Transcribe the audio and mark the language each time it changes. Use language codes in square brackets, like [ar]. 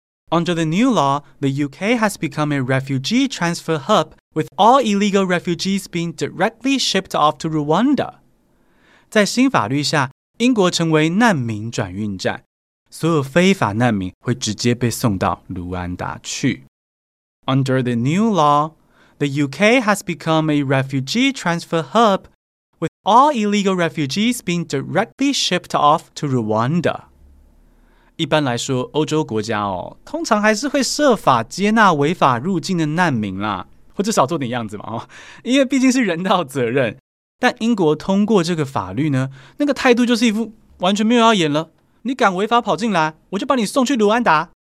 [en] Under the new law, the UK has become a refugee transfer hub with all illegal refugees being directly shipped off to Rwanda. [zh] 在新法律下，英国成为难民转运站，所有非法难民会直接被送到卢安达去。 [en] Under the new law, the UK has become a refugee transfer hub, with all illegal refugees being directly shipped off to Rwanda. [zh] 一般来说，欧洲国家哦，通常还是会设法接纳违法入境的难民啦，或至少做点样子嘛，因为毕竟是人道责任。但英国通过这个法律呢，那个态度就是一副完全没有要演了，你敢违法跑进来，我就把你送去卢安达。